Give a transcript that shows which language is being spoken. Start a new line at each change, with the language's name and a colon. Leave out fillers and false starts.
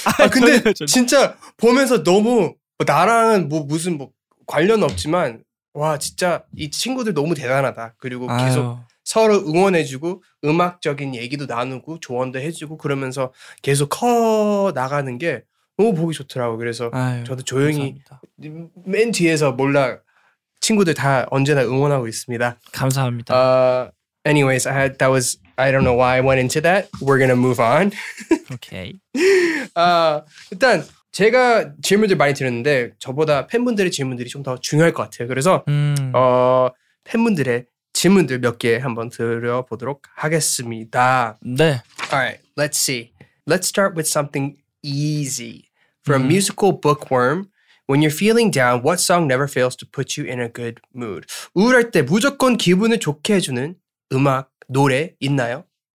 Korean: 아 근데 진짜 보면서 너무 나랑은 뭐 무슨 뭐 관련 없지만 와 진짜 이 친구들 너무 대단하다. 그리고 계속 아유. 서로 응원해주고 음악적인 얘기도 나누고 조언도 해주고 그러면서 계속 커 나가는 게 너무 보기 좋더라고. 그래서 아유, 저도 조용히 감사합니다. 맨 뒤에서 몰라 친구들 다 언제나 응원하고 있습니다. 감사합니다.
English: Anyways, that was I don't know why I went into that. We're gonna move on. Okay.
Korean: 일단 제가 질문들 많이 드렸는데 저보다 팬분들의 질문들이 좀 더 중요할 것 같아요. 그래서 팬분들의 질문들 몇 개 한번 드려보도록 하겠습니다. 네.
English: Alright, let's see. Let's start with something easy. From musical bookworm, when you're feeling down, what song never fails to put you in a good mood?
Korean: 우울할 때 무조건 기분을 좋게 해주는 음악, 노래 있나요?